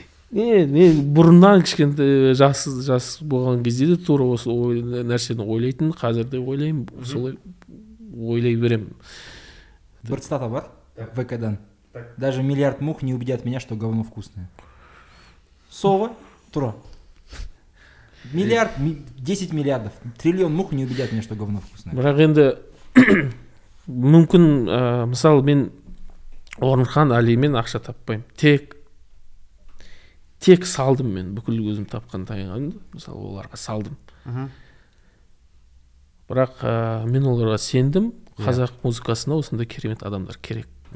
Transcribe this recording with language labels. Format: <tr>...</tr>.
<kk>Не бұрыннан кішкентай жас болған кезде де тура осы нәрсені ойлайтын, қазір де ойлаймын, солай ойлай беремін. Бір цитата бар ВК-дан:</kk> <ru>даже миллиард мух не убедят меня, что говно вкусное. Сова, тура. Миллиард, 10 миллиардов, триллион мух не убедят меня, что говно вкусное.</ru> <kk>Бірақ енді мүмкін, мысалы, мен Орынхан Алимен ақша таппаймын. Тек салдым мен, бүкіл өзім тапқан таянғанды, мысалы, оларға салдым. Бірақ мен оларға сендім, қазақ музыкасына осында керемет адамдар керек.</kk>